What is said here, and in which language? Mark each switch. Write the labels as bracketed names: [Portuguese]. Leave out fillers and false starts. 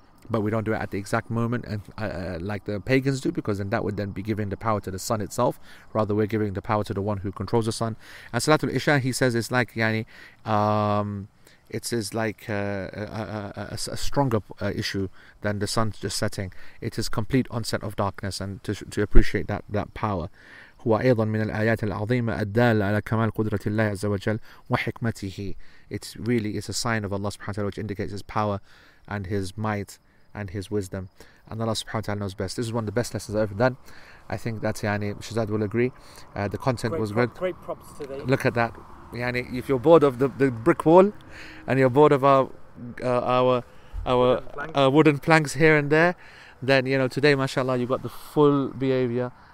[English] But we don't do it at the exact moment and like the pagans do, because then that would then be giving the power to the sun itself. Rather, we're giving the power to the one who controls the sun. And Salatul Isha, he says it's like yani, it is like a stronger issue than the sun just setting. It is complete onset of darkness, and to appreciate that power. [Arabic] هو أيضا من الآيات العظيمة الدالة على كمال قدرة الله عز وجل وحكمته. [English] It's really a sign of Allah subhanahu wa ta'ala, which indicates His power and His might and His wisdom, and Allah subhanahu wa ta'ala knows best. This is one of the best lessons I've ever done. I think that yani, Shazad will agree. The content great was good. Great props today. Look at that. Yani, if you're bored of the brick wall, and you're bored of our wooden planks here and there, then you know today, mashallah, you've got the full behavior.